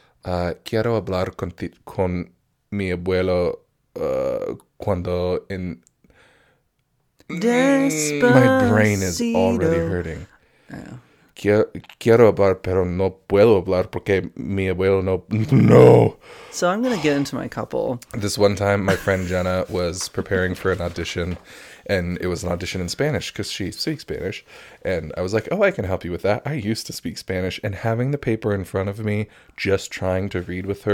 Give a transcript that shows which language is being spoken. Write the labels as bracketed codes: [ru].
[es] Quiero hablar con mi abuelo cuando en... Despacito. [en] My brain is already hurting. [es] Quiero hablar, pero no puedo hablar porque mi abuelo no... [en] No! So I'm going to get into my couple. This one time, my friend Jenna was preparing for an audition, and it was an audition in Spanish, because she speaks Spanish. And I was like, I can help you with that. I used to speak Spanish. And having the paper in front of me, just trying to read with her...